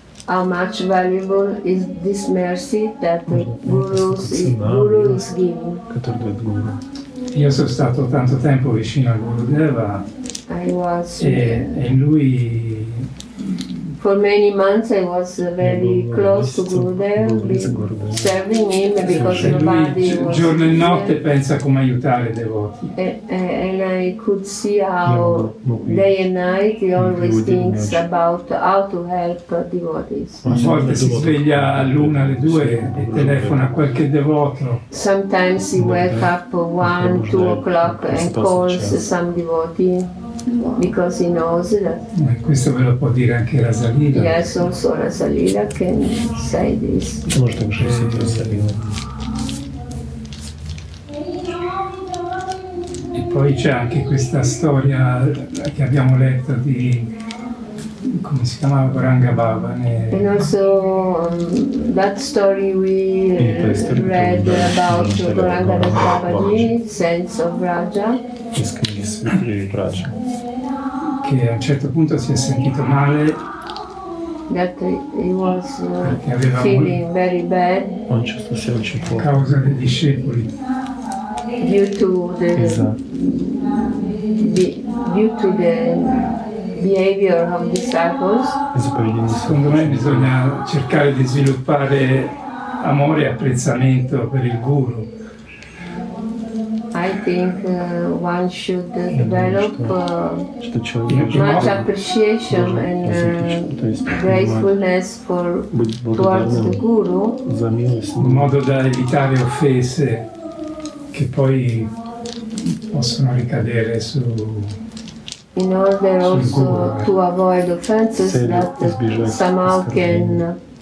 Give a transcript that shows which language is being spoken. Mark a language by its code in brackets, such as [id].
[en] How much valuable is this mercy that the Guru is giving? [it] Io sono stato tanto tempo vicino al Gurudeva. [en] I was. [it] E lui. [en] For many months I was very close to Gurudeva, serving him because nobody was. [it] Giorno e notte pensa come aiutare i devoti. [en] And I could see how day and night he always thinks about how to help devotees. [it] A volte si sveglia all'una, alle due e telefona a qualche devoto. [en] Sometimes he wake up 1-2 o'clock and calls some devotee. Because he knows that. [it] Questo ve lo può dire anche Rasalila. [en] Yes, also Rasalila can say this. [it] Molto interessante Rasalila. E poi c'è anche questa storia che abbiamo letto di come si chiamava Goranga Baba. [en] And also that story we read about Goranga Baba, the sense of Raja. [it] Che a un certo punto si è sentito male. [en] That he was feeling very bad. [it] A causa dei discepoli. [en] Due to the behavior of disciples. [it] Secondo me bisogna cercare di sviluppare amore e apprezzamento per il Guru. [en] I think one should develop much appreciation and gratefulness towards the Guru. [it] In modo da evitare offese che poi possono ricadere su. [en] In order also to avoid offenses that somehow can.